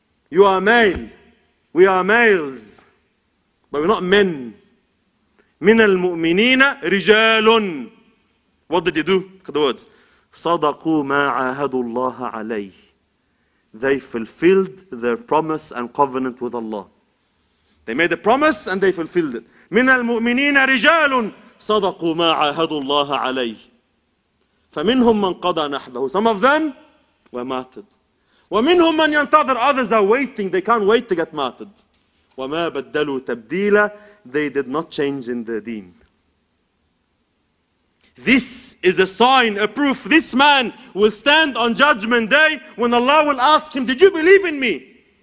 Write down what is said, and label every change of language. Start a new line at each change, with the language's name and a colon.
English: You are male. We are males. But we're not men.
Arabic: Min al-mu'mineen rijalun.
English: What did you do? Look at the words.
Arabic: صدقوا ما عاهدوا الله عليه.
English: They fulfilled their promise and covenant with Allah. They made a promise and they fulfilled it.
Arabic: من المؤمنين رجال صدقوا ما عاهدوا الله عليه. فمنهم من قضى نحبه.
English: Some of them were martyred.
Arabic: ومنهم من ينتظر.
English: Others are waiting. They can't wait to get martyred.
Arabic: وما بدلوا تبديلا.
English: They did not change in the deen. This is a sign, a proof. This man will stand on judgment day when Allah will ask him, "Did you believe in me?